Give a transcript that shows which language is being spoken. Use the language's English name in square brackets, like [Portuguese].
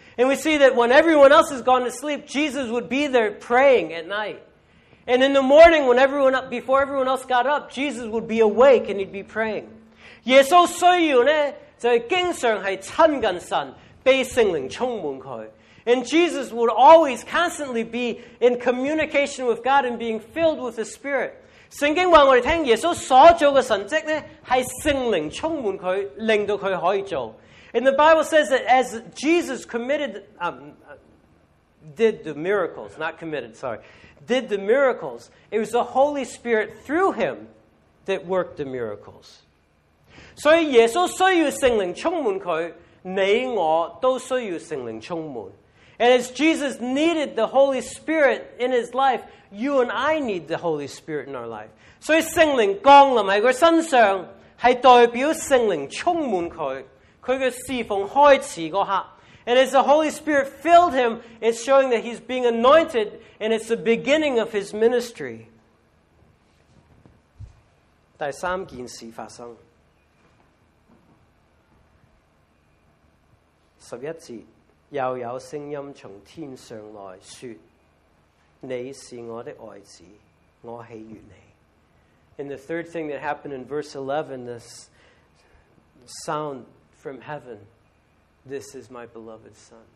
[English] And we see that when everyone else has gone to sleep, Jesus would be there praying at night. And in the morning, when everyone up, before everyone else got up, Jesus would be awake and he'd be praying. [Chinese] 耶稣需要呢,就经常是亲近神,被圣灵充满他。 [English] And Jesus would always constantly be in communication with God and being filled with the Spirit. [Chinese] 圣经告诉我们,耶稣所做的神迹呢,是圣灵充满他,令到他可以做。 [English] And the Bible says that as Jesus committed, did the miracles. It was the Holy Spirit through him that worked the miracles. [Chinese] 所以耶稣需要圣灵充满他, 你我都需要圣灵充满。 [English] And as Jesus needed the Holy Spirit in his life, you and I need the Holy Spirit in our life. [Chinese] So 聖靈降臨在他身上, 是代表聖靈充滿他, 他的侍奉開始那一刻, [English] and as the Holy Spirit filled him, it's showing that he's being anointed, and it's the beginning of his ministry. [Chinese] 第三件事发生, 十一節,又有聲音從天上來說,你是我的愛子,我喜悅你. [English] And the third thing that happened in verse 11, this sound from heaven, this is my beloved son.